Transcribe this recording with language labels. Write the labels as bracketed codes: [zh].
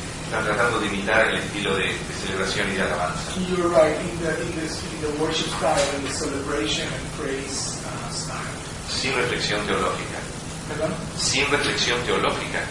[es] Tratando de imitar el estilo de celebración y de alabanza. [en] You're right, in the worship style and the celebration and praise style. [es] Sin reflexión teológica. ¿Perdón? Sin reflexión teológica.